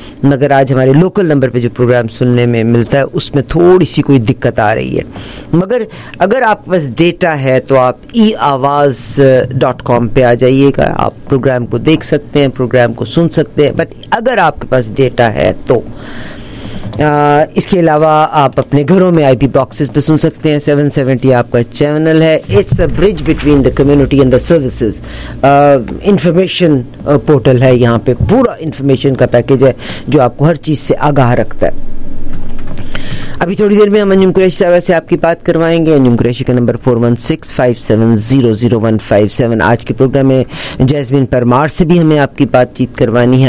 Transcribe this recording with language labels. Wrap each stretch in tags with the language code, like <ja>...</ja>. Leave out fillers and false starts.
<ur>مگر آج ہمارے لوکل نمبر پہ جو پروگرام سننے میں ملتا ہے اس میں تھوڑی سی کوئی دقت آ رہی ہے, مگر اگر آپ کے پاس ڈیٹا ہے تو آپ eawaz.com پہ آ جائیے گا. آپ پروگرام کو دیکھ سکتے ہیں, پروگرام کو سن سکتے ہیں, بٹ اگر آپ کے پاس ڈیٹا ہے تو اس کے علاوہ آپ اپنے گھروں میں آئی پی باکسز پہ سن سکتے ہیں. 770 آپ کا چینل ہے.</ur> <en>It's a bridge between the community and the services.</en> <ur>Information portal ہے, یہاں پہ پورا انفارمیشن کا پیکج ہے جو آپ کو ہر چیز سے آگاہ رکھتا ہے. ابھی تھوڑی دیر میں ہم انجم قریشی صاحب سے آپ کی بات کروائیں گے. انجم قریشی کا نمبر 4165700157. آج کے پروگرام میں جیزمین پرمار سے بھی ہمیں آپ کی بات چیت کروانی ہے.</ur>